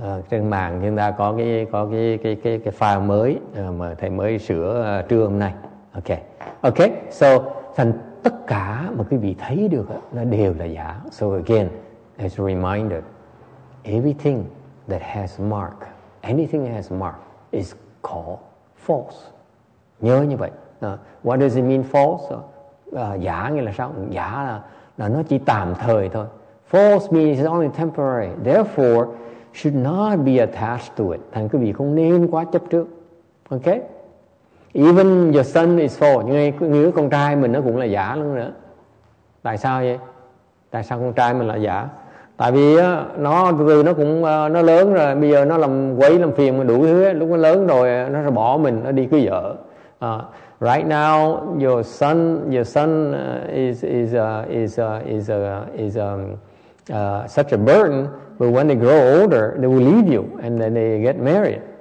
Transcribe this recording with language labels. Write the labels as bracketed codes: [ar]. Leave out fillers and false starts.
[vi] Trên mạng chúng ta có cái file mới mà thầy mới sửa trưa hôm nay. Okay. So thành tất cả mà quý vị thấy được nó đều là giả. [en] So again, as a reminder, everything that has mark, anything that has mark is called false. [vi] Nhớ như vậy. [en] What does it mean false? [vi] Giả nghĩa là sao? Giả là nó chỉ tạm thời thôi. [en] False means it's only temporary. Therefore, should not be attached to it. [vi] Thành quý vị không nên quá chấp trước. Okay? [en] Even your son is false. [vi] Như con trai mình nó cũng là giả luôn nữa. Tại sao vậy? Tại sao con trai mình là giả? Tại vì nó từ từ nó cũng nó lớn rồi, bây giờ nó làm quấy làm phiền mình đủ thứ. Lúc nó lớn rồi nó sẽ bỏ mình, nó đi cưới vợ. [en] Right now your son is such a burden, but when they grow older they will leave you and then they get married.